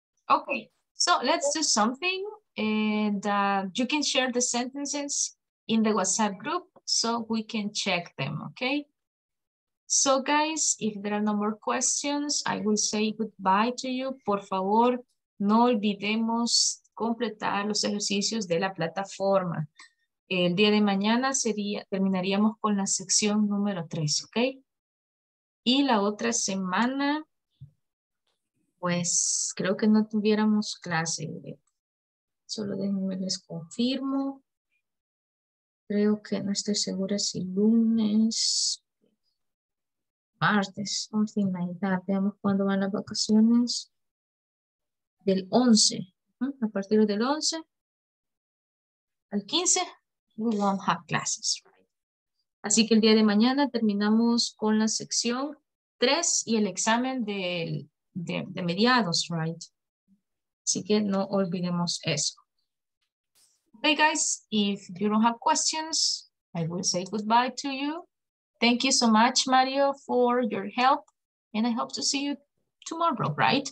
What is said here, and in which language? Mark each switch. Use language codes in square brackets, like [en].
[en] Okay, so let's do something and you can share the sentences in the WhatsApp group so we can check them, okay? So guys, if there are no more questions, I will say goodbye to you. [es] Por favor, no olvidemos completar los ejercicios de la plataforma. El día de mañana terminaríamos con la sección número 3, ¿ok? Y la otra semana, pues creo que no tuviéramos clase. Solo déjenme les confirmo. Creo que no estoy segura si lunes, martes, [en] something like that. [es] Veamos cuándo van las vacaciones. Del 11. A partir del 11 al 15, [en] we won't have classes. [es] Así que el día de mañana terminamos con la sección 3 y el examen de mediados, right? Así que no olvidemos eso. [en] Okay, guys, if you don't have questions, I will say goodbye to you. Thank you so much, Mario, for your help. And I hope to see you tomorrow, right?